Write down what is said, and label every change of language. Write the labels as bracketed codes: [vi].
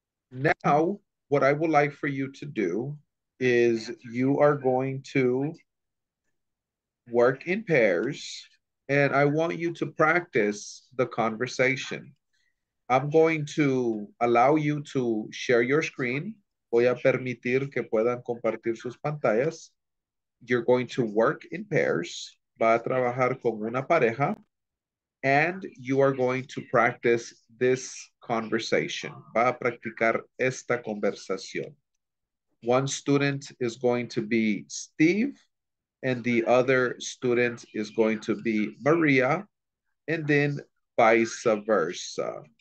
[en] Now, what I would like for you to do is you are going to work in pairs, and I want you to practice the conversation. I'm going to allow you to share your screen. [es] Voy a permitir que puedan compartir sus pantallas. [en] You're going to work in pairs. [es] Va a trabajar con una pareja. [en] And you are going to practice this conversation. [es] Va a practicar esta conversación. [en] One student is going to be Steve, and the other student is going to be Maria, and then vice versa.